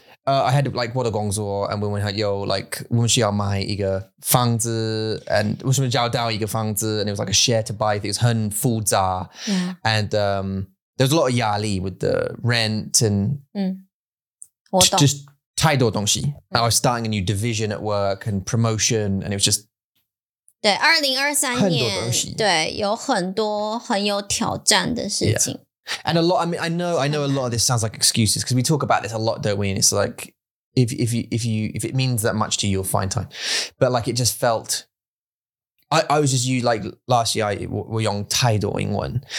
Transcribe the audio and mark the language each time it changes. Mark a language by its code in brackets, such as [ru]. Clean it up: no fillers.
[en] I had, like, [zh] 我的工作 [en] and we went, yo, like, [zh] 我们需要买一个房子 [en] and [zh] 我们需要到一个房子 [en] and it was like a share to buy. It was [zh] 很复杂 [en] Yeah. And there was a lot of [zh] 压力 [en] with the rent and [zh] 我懂 [en] just [zh] 太多东西 [en] I was starting a new division at work and promotion and it was just, [zh] 对二零二三年对有很多很有挑战的事情。 [en] Yeah. And a lot, I mean, I know a lot of this sounds like excuses, because we talk about this a lot, don't we? And it's like, if it means that much to you, you'll find time. But like, it just felt, I was just, you like, last year, [zh] 我用太多英文。